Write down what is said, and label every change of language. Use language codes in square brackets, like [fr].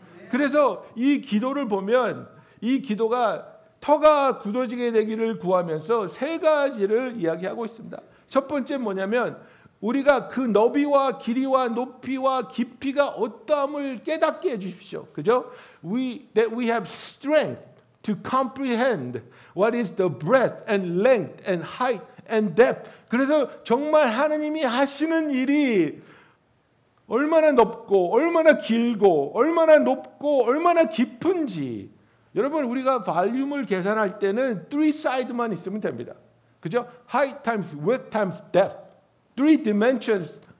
[ko] 그래서 이 기도를 보면 이 기도가 터가 굳어지게 되기를 구하면서 세 가지를 이야기하고 있습니다. 첫 번째 뭐냐면 우리가 그 너비와 길이와 높이와 깊이가 어떠함을 깨닫게 해 주십시오. 그죠? [en] That we have strength to comprehend what is the breadth and length and height and depth. [ko] 그래서 정말 하느님이 하시는 일이 얼마나 높고 얼마나 길고 얼마나 높고 얼마나 깊은지. 여러분 우리가 볼륨을 계산할 때는 [en] three side [ko] 만 있으면 됩니다. 그죠? [en] Height times width times depth. Three dimensions.